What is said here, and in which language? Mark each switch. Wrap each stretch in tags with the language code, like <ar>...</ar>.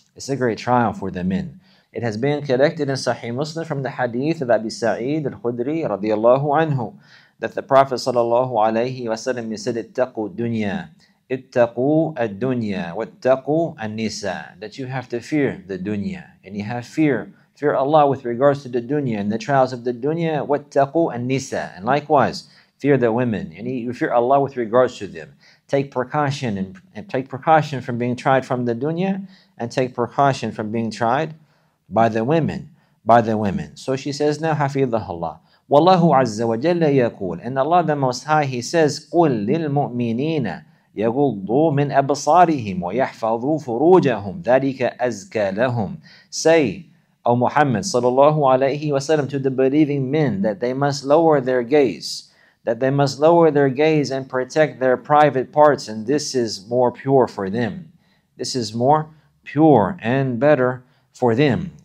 <en>It's a great trial for the men. It has been collected in Sahih Muslim from the hadith of Abi Sa'id al-Khudri radiallahu anhu, that the Prophet sallallahu alayhi wa sallam said,</en> <ar>اتقوا الدنيا, اتقوا الدنيا, واتقوا النساء,</ar> <en>that you have to fear the dunya, and you have fear Allah with regards to the dunya and the trials of the dunya,</en> <ar>واتقوا النساء,</ar> <en>and likewise, fear the women, and you fear Allah with regards to them. Take precaution, and take precaution from being tried from the dunya, and take precaution from being tried by the women. So she says now,</en> <ar>حفظها الله. وَاللَّهُ عَزَّ وَجَلَّ يَقُولُ.</ar> <en>And Allah the Most High, He says,</en> <ar>قُلْ لِلْمُؤْمِنِينَ يَغُضُّوا مِنْ أَبْصَارِهِمْ وَيَحْفَظُوا فُرُوجَهُمْ ذَلِكَ أَزْكَى لَهُمْ.</ar> <en>Say, O Muhammad sallallahu alayhi wa sallam, to the believing men, that they must lower their gaze, that they must lower their gaze and protect their private parts, and this is more pure for them. This is more pure and better for them.</en>